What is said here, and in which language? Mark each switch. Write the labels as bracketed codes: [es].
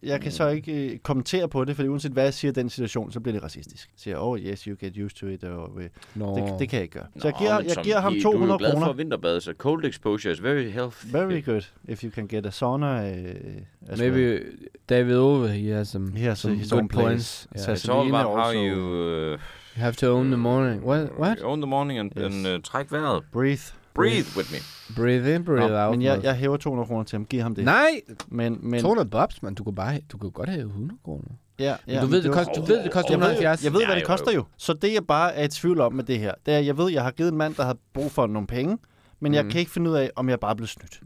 [da] kan så ikke kommentere på det, fordi uanset hvad jeg siger den situation, så bliver det racistisk. Jeg siger, [en] oh yes, you get used to it. [da] Det kan jeg ikke gøre. Så jeg giver ham 200 kroner. Du er glad for vinterbade, så [en] cold exposure is very healthy. Very good. If you can get a sauna, maybe well. David Ove, he has some good points. Yeah. It's all about how you have to own the morning. What? Own the morning and then [da] træk vejret. [en] Breathe with me. Breathe in, breathe out. [da] Men jeg hæver 200 kroner til ham. Giv ham det. Nej! Men [en] 200 bobs, man. [da] Du kunne godt have 100 kroner. Ja, men du ved, det koster 170. Jeg ved, hvad det koster jo. Så det, jeg bare er i tvivl om med det her, det er, jeg ved, jeg har givet en mand, der har brug for nogle penge, men jeg kan ikke finde ud af, om jeg bare blev snydt.